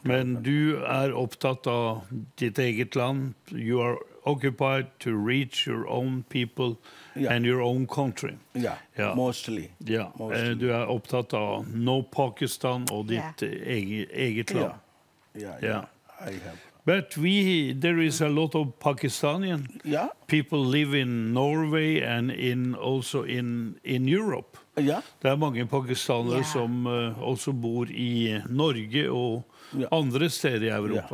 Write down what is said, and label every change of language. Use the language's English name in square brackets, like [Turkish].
[Norwegian] Men du er opptatt av ditt eget land. [English] You are occupied to reach your own people. Yeah. And your own country. Yeah, mostly. Yeah, mostly. [Norwegian] Du er opptatt av no Pakistan og ditt eget land. [English] Yeah. I have. But there is a lot of Pakistanian people live in Norway and also in Europe. Yeah. [Norwegian] Det er mange pakistanere som også bor i Norge og andre steder i Europa.